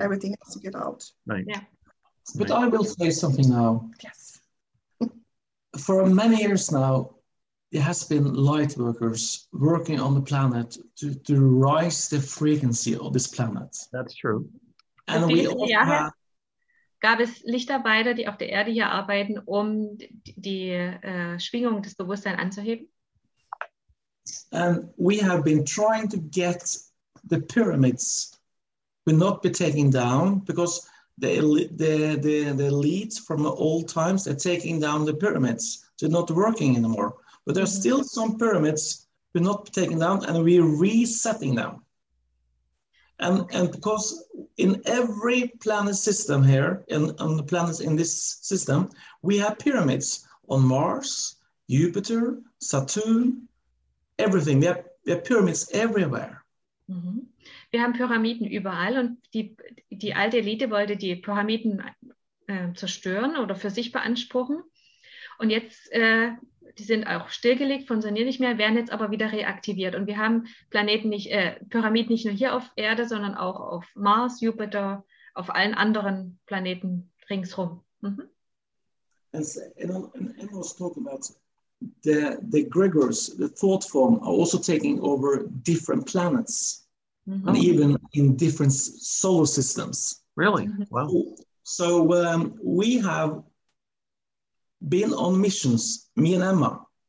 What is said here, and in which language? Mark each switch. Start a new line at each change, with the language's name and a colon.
English: Everything has to get out. Right. Yeah. But I will say something now. Yes. For many years now, there has been light workers working on the planet to rise the frequency of this planet. That's true. And we all have...
German: gab es Lichtarbeiter, die auf der Erde hier arbeiten, um die Schwingung des Bewusstseins anzuheben?
English: And we have been trying to get the pyramids will not be taken down because the elites from the old times are taking down the pyramids. They're not working anymore. But there are still some pyramids will not be taken down, and we're resetting them. And because in every planet system here, on the planets in this system, we have pyramids on Mars, Jupiter, Saturn, everything. We have pyramids everywhere.
German: Wir haben Pyramiden überall und die alte Elite wollte die Pyramiden zerstören oder für sich beanspruchen. Und jetzt, die sind auch stillgelegt, funktionieren nicht mehr, werden jetzt aber wieder reaktiviert. Und wir haben Pyramiden nicht nur hier auf Erde, sondern auch auf Mars, Jupiter, auf allen anderen Planeten ringsherum.
English: And was talking about the Gregors, the thought form, are also taking over different planets. Mm-hmm. And even in different solar systems. Really? Mm-hmm. Wow. So we have been on missions, me and Emma.